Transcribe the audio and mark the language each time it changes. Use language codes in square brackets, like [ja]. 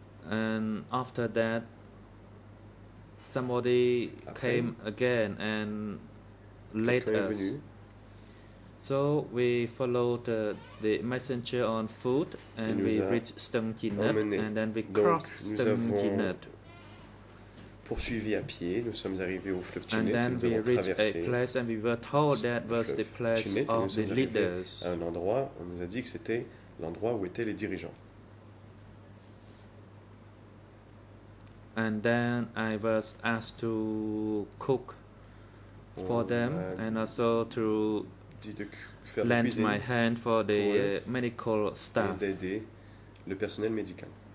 [en] And after that, somebody came again and led us. So we followed the messenger on foot, and we reached Stung Chinet, and then we crossed Stung Chinet. [fr] Poursuivi à pied, nous sommes arrivés au fleuve Chinet. [en] And then we reached a place, and we were told that was the place [fr] Chinet, [en] of the leaders. [fr] À un endroit, on nous a dit que c'était l'endroit où étaient les dirigeants. [en] And then I was asked to cook for them, and also to lend my hand for the medical staff. [fr] Et d'aider le personnel médical.